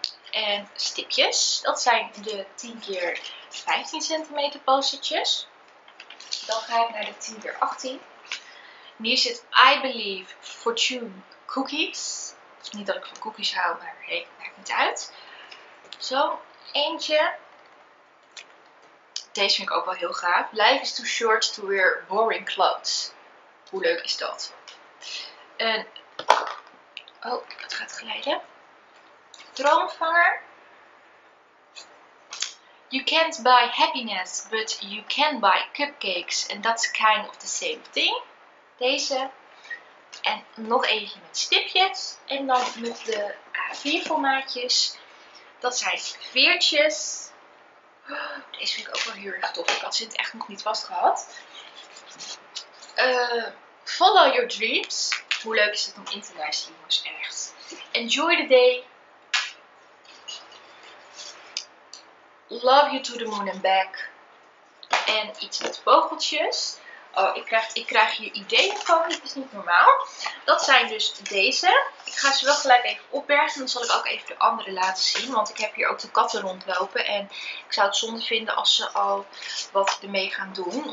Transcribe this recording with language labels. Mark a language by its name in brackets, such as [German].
[Dutch] En stipjes. Dat zijn de 10 x 15 centimeter postertjes. Dan ga ik naar de 10 x 18. Hier zit I Believe Fortune Cookies. Niet dat ik van cookies hou, maar hey, maakt niet uit. Zo, eentje. Deze vind ik ook wel heel gaaf. [English] Life is too short to wear boring clothes. [Dutch] Hoe leuk is dat? En oh, het gaat glijden. Droomvanger. [English] You can't buy happiness, but you can buy cupcakes. And that's kind of the same thing. [Dutch] Deze. En nog eentje met stipjes. En dan met de A4 formaatjes. Dat zijn veertjes. Deze vind ik ook wel heel erg tof. Ik had ze echt nog niet vast gehad. [English] Follow your dreams. [Dutch] Hoe leuk is het om in te luisteren, jongens, echt. [English] Enjoy the day. Love you to the moon and back. [Dutch] En iets met vogeltjes. Oh, ik krijg hier ideeën van. Dit is niet normaal. Dat zijn dus deze. Ik ga ze wel gelijk even opbergen. En dan zal ik ook even de andere laten zien. Want ik heb hier ook de katten rondlopen. En ik zou het zonde vinden als ze al wat ermee gaan doen.